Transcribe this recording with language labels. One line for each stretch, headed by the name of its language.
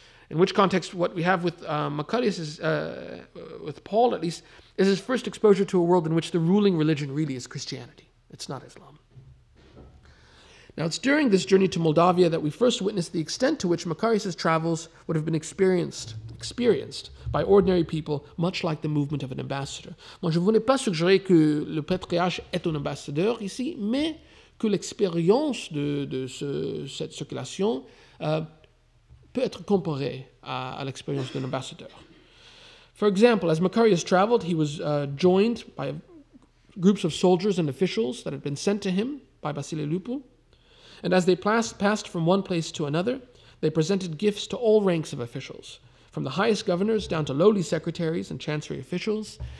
English: In which context, what we have with Maccadius, with Paul at least, is his first exposure to a world in which the ruling religion really is Christianity. It's not Islam. Now, it's during this journey to Moldavia that we first witness the extent to which Maccadius' travels would have been experienced by ordinary people, much like the movement of an ambassador.
French: Moi, je voulais pas suggérer que le patriarche est un ambassadeur ici, mais que l'expérience de cette circulation peut être comparé à l'expérience d'un ambassadeur.
English: For example, as Maccadius traveled, he was joined by groups of soldiers and officials that had been sent to him by Vasile Lupu. And as they passed from one place to another, they presented gifts to all ranks of officials, from the highest governors down to lowly secretaries and chancery officials.